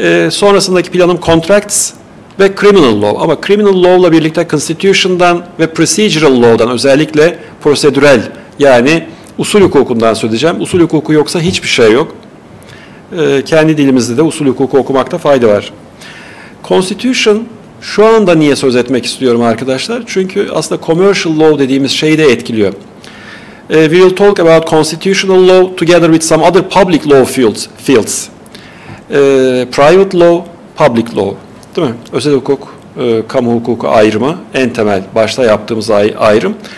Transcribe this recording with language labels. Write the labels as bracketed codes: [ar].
[tr] Sonrasındaki planım contracts ve criminal law. Ama criminal law ile birlikte constitution'dan ve procedural law'dan, özellikle prosedürel, yani usul hukukundan söz edeceğim. Usul hukuku yoksa hiçbir şey yok. Kendi dilimizde de usul hukuku okumakta fayda var. Constitution şu anda niye söz etmek istiyorum arkadaşlar? Çünkü aslında commercial law dediğimiz şeyi de etkiliyor. [en] We will talk about constitutional law together with some other public law fields. Private law, public law. [tr] Değil mi? Özel hukuk, kamu hukuku ayrımı en temel, başta yaptığımız ayrım.